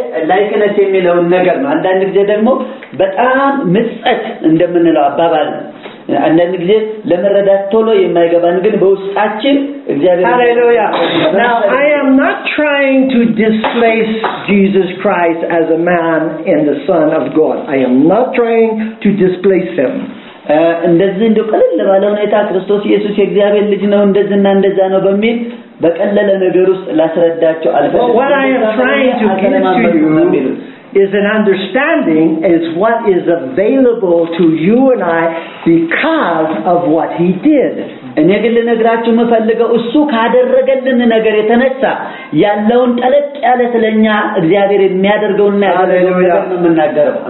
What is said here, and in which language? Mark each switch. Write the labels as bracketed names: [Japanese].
[Amharic] ላይክ ነት የሚለው ነገር ነው። አንዳንድ ጊዜ ደግሞ በጣም ምጸት እንደምንለው አባባል ነው። አንደኛ ግዜ ለመረዳት ቶሎ የማይገባን ግን በውስጣችን እግዚአብሔር ሃሌሉያ. [English] Now I am not trying to displace Jesus Christ as a man and the son of God. I am not trying to displace him. [Amharic] እንደዚህ እንደቀለለ ባለው ኔታ ክርስቶስ ኢየሱስ የእግዚአብሔር ልጅ ነው እንደዚህና እንደዛ ነው በሚል በቀለለ ነገር ውስጥ ላስረዳቸው አልፈልግም. [English] What I am trying to get to you is an understanding is what is available to you and I because of what he did. [Amharic] እንግዲህ ለነግራችሁ መፈልገው እሱ ካደረገልን ነገር የተነሳ ያለውን ጠለቅ ያለ ስለኛ እግዚአብሔር የሚያደርገውና ያደረገውን መናገረው.